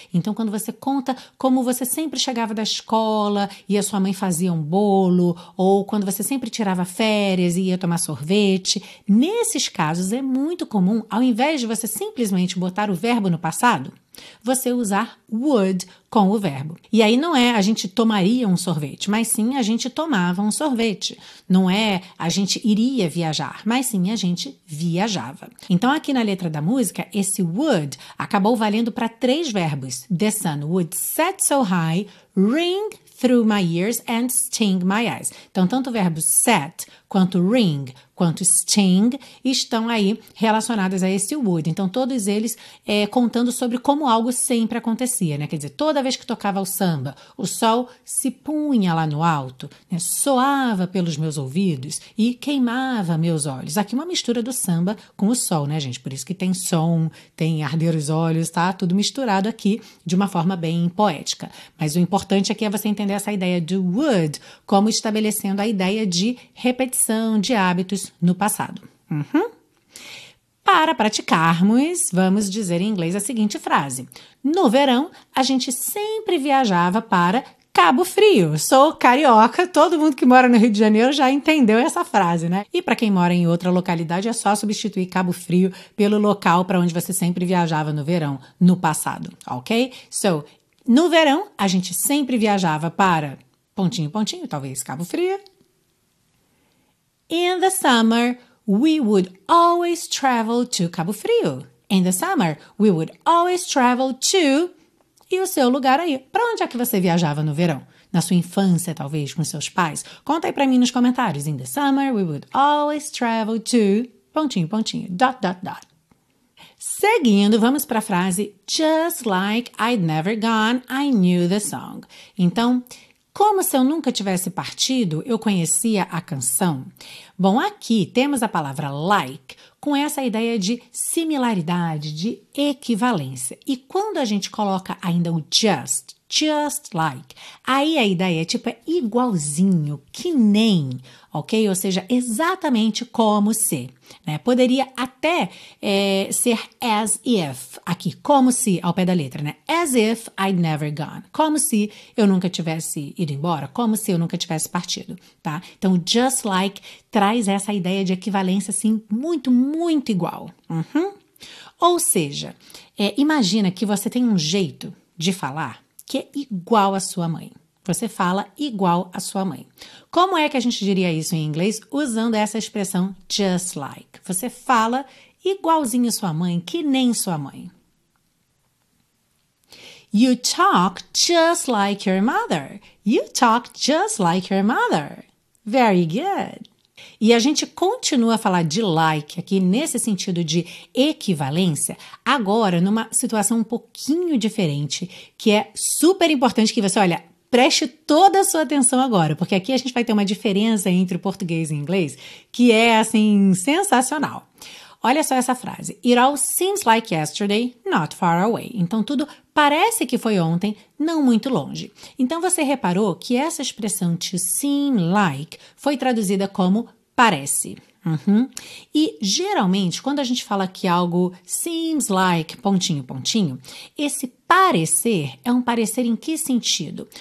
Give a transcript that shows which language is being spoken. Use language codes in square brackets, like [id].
[pt] Então, quando você conta como você sempre chegava da escola e a sua mãe fazia um bolo, ou quando você sempre tirava férias e ia tomar sorvete, nesses casos é muito comum, ao invés de você simplesmente botar o verbo no passado, você usar would com o verbo. E aí não é a gente tomaria um sorvete, mas sim a gente tomava um sorvete. Não é a gente iria viajar, mas sim a gente viajava. Então aqui na letra da música, esse would acabou valendo para 3 verbos. [en] The sun would set so high, ring through my ears and sting my eyes. [pt] Então tanto o verbo set quanto ring, quanto sting, estão aí relacionadas a esse wood. Então, todos eles contando sobre como algo sempre acontecia, né? Quer dizer, toda vez que tocava o samba, o sol se punha lá no alto, né? Soava pelos meus ouvidos e queimava meus olhos. Aqui uma mistura do samba com o sol, né, gente? Por isso que tem som, tem arder os olhos, tá? Tudo misturado aqui de uma forma bem poética. Mas o importante aqui é você entender essa ideia do wood como estabelecendo a ideia de repetição de hábitos no passado. Uhum. Para praticarmos, vamos dizer em inglês a seguinte frase. No verão, a gente sempre viajava para Cabo Frio. Sou carioca, todo mundo que mora no Rio de Janeiro já entendeu essa frase, né? E para quem mora em outra localidade, é só substituir Cabo Frio pelo local para onde você sempre viajava no verão, no passado, ok? So, no verão, a gente sempre viajava para pontinho, pontinho, talvez Cabo Frio. [en] In the summer, we would always travel to Cabo Frio. In the summer, we would always travel to... [pt] E o seu lugar aí? Para onde é que você viajava no verão? Na sua infância, talvez, com seus pais? Conta aí para mim nos comentários. [en] In the summer, we would always travel to... [pt] Pontinho, pontinho. [en] Dot, dot, dot. [pt] Seguindo, vamos para a frase... [en] Just like I'd never gone, I knew the song. [pt] Então... Como se eu nunca tivesse partido, eu conhecia a canção? Bom, aqui temos a palavra like com essa ideia de similaridade, de equivalência. E quando a gente coloca ainda o just like, aí a ideia é tipo, é igualzinho, que nem, ok? Ou seja, exatamente como se, né? Poderia até ser as if, aqui, como se, ao pé da letra, né? [en] As if I'd never gone, [pt] como se eu nunca tivesse ido embora, como se eu nunca tivesse partido, tá? Então, just like traz essa ideia de equivalência, assim, muito, muito igual. Uhum. Ou seja, imagina que você tem um jeito de falar que é igual à sua mãe. Você fala igual à sua mãe. Como é que a gente diria isso em inglês? Usando essa expressão just like. Você fala igualzinho à sua mãe, que nem sua mãe. [en] You talk just like your mother. You talk just like your mother. Very good. [pt] E a gente continua a falar de like aqui nesse sentido de equivalência, agora numa situação um pouquinho diferente, que é super importante que você, olha, preste toda a sua atenção agora, porque aqui a gente vai ter uma diferença entre o português e o inglês que é, assim, sensacional. Olha só essa frase. [en] It all seems like yesterday, not far away. [pt] Então, tudo parece que foi ontem, não muito longe. Então, você reparou que essa expressão to seem like foi traduzida como parece. Uhum. E, geralmente, quando a gente fala que algo seems like, pontinho, pontinho, esse parecer é um parecer em que sentido?